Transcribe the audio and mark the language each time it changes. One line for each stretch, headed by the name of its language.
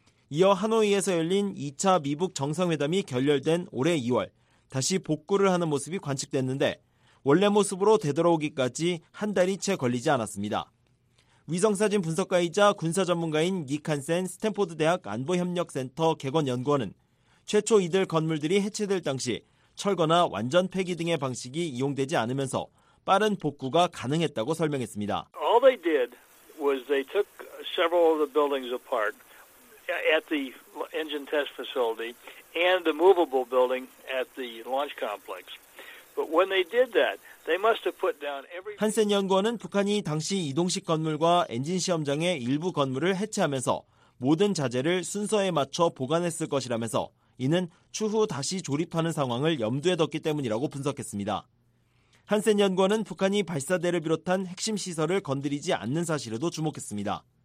Korean: 이어 하노이에서 열린 2차 미북 정상회담이 결렬된 올해 2월 다시 복구를 하는 모습이 관측됐는데 원래 모습으로 되돌아오기까지 한 달이 채 걸리지 않았습니다. 위성사진 분석가이자 군사 전문가인 니칸센 스탠포드 대학 안보협력센터 객원연구원은 최초 이들 건물들이 해체될 당시 철거나 완전 폐기 등의 방식이 이용되지 않으면서 빠른 복구가 가능했다고 설명했습니다.
English: All they did was they took several of the buildings apart at the engine test facility and the movable building at the launch complex. But when they did that, they must have put down every.
Korean: 한센 연구원은 북한이 당시 이동식 건물과 엔진 시험장의 일부 건물을 해체하면서 모든 자재를 순서에 맞춰 보관했을 것이라면서 이는 추후 다시 조립하는 상황을 염두에 뒀기 때문이라고 분석했습니다. 한센 연구원은 북한이 발사대를 비롯한 핵심 시설을 건드리지 않는 사실에도 주목했습니다.